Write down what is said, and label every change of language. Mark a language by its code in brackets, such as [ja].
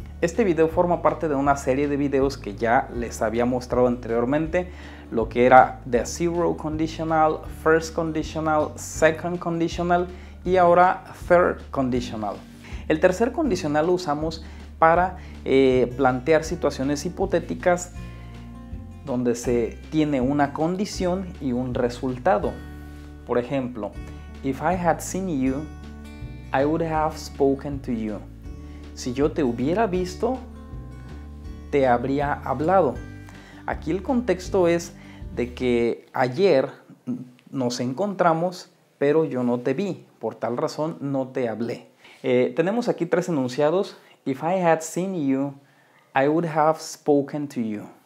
[es] Este video forma parte de una serie de videos que ya les había mostrado anteriormente, lo que era The Zero Conditional, First Conditional, Second Conditional y ahora Third Conditional. El tercer condicional lo usamos para plantear situaciones hipotéticas donde se tiene una condición y un resultado. Por ejemplo, [en] if I had seen you, I would have spoken to you. [es] Si yo te hubiera visto, te habría hablado. Aquí el contexto es de que ayer nos encontramos, pero yo no te vi. Por tal razón, no te hablé. Tenemos aquí tres enunciados. [en] If I had seen you, I would have spoken to you.